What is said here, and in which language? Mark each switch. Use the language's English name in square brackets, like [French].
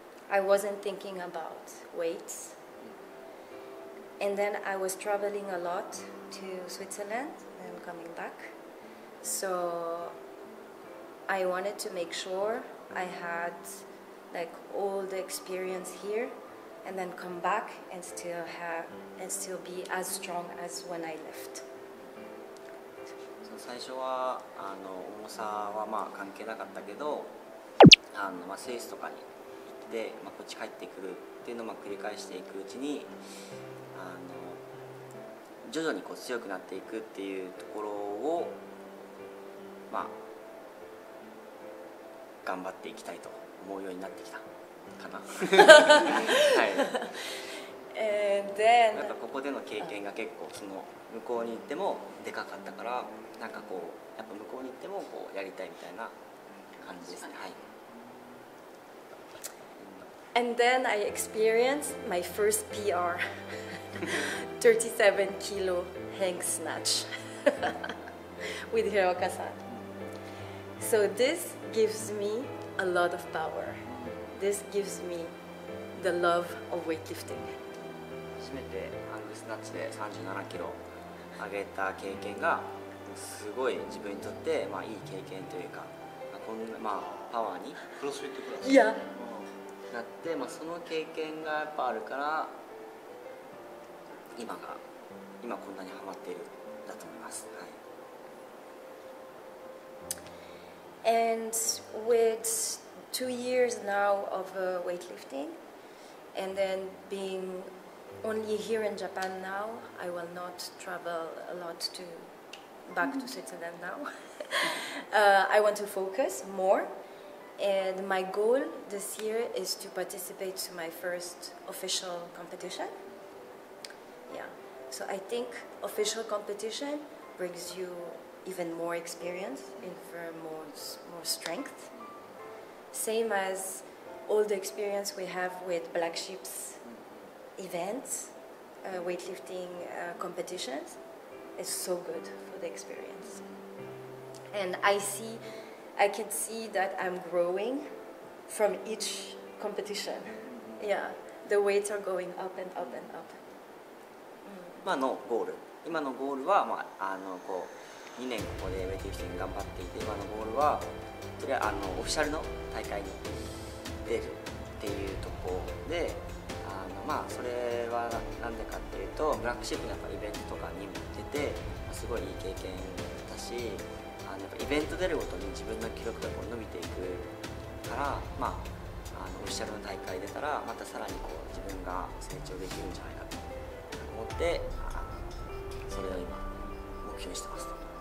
[English] I wasn't thinking about weights. And then I was traveling a lot to Switzerland and coming back. So I wanted to make sure I had like all the experience here and then come back and still have and still be as strong as when I left. [Japanese] 最初はあの重さはまあ関係なかったけど、あの、まあ、スイスとかに行って、まあ、こっち帰ってくるっていうのを繰り返していくうちに、あの徐々にこう強くなっていくっていうところを、まあ、頑張っていきたいと思うようになってきたかな。 [English] はい。And then、 [Japanese] やっぱここでの経験が結構その向こうに行ってもでかかったから、なんかこうやっぱ向こうに行ってもこうやりたいみたいな感じですね。はい。 [English] And then I experienced my first PR, 37 kilo hang snatch with Hiroka-san. So this gives me a lot of power. This gives me the love of weightlifting. [Japanese] 初めてハングスナッチで37キロ上げた経験がすごい自分にとってまあいい経験というか、こんなまあパワーにクロスフィットクラス、いや、なって、まあ、その経験がやっぱあるから今が今こんなにハマっているんだと思います。はい。 [English] And with 2 years now of weightlifting, and then being only here in Japan now, I will not travel a lot to back to Switzerland now. I want to focus more, and my goal this year is to participate to my first official competition. Yeah, so I think official competition brings you even more experience, even more strength. Same as all the experience we have with Black Sheep's events, weightlifting competitions, is so good for the experience. And I can see that I'm growing from each competition. Yeah, the weights are going up and up and up. [Japanese] まあのゴール、今のゴールはまああのこう2年ここでウェイトリフティング頑張っていて、今のゴールはとりあえずあのオフィシャルの大会に出るっていうところで、あのまあそれはなんでかっていうと、ブラックシップのやっぱイベントとかにも出てすごいいい経験だし、あのやっぱイベント出るごとに自分の記録がこう伸びていくから、まああのオフィシャルの大会出たらまたさらにこう自分が成長できるんじゃないかと思って、あのそれを今目標にしてますと。